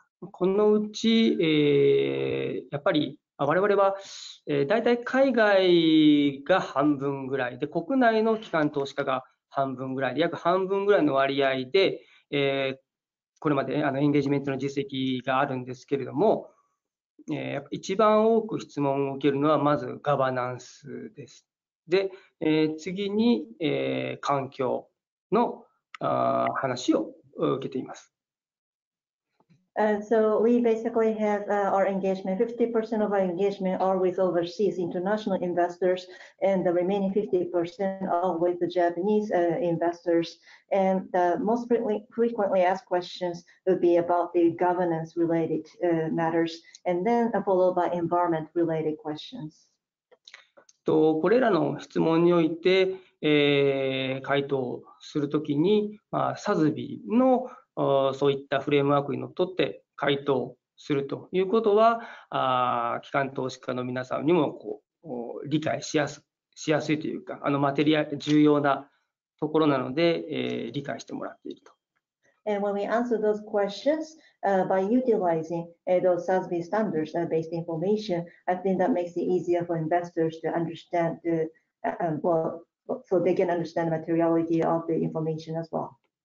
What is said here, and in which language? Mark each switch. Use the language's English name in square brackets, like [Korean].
[Japanese] このうち、やっぱり我々は、大体海外が半分ぐらいで、国内の機関投資家が半分ぐらいで、約半分ぐらいの割合で、これまでエンゲージメントの実績があるんですけれども、一番多く質問を受けるのはまずガバナンスです。で、次に、環境の話を受けています。 [English] So we basically have our engagement, 50% of our engagement are with overseas international investors, and the remaining 50% are with the Japanese investors. And the most frequently asked questions would be about the governance related matters, and then followed by environment related questions. [Japanese] とこれらの質問において、回答するときに、まあ、SASBのそういったフレームワークにのっとって回答するということは、機関投資家の皆さんにもこう理解しやすいというか、マテリア重要なところなので、理解してもらっていると。 [English] And when we answer those questions, by utilizing those SASB standards based information, I think that makes it easier for investors to understand the, so they can understand the materiality of the information as well.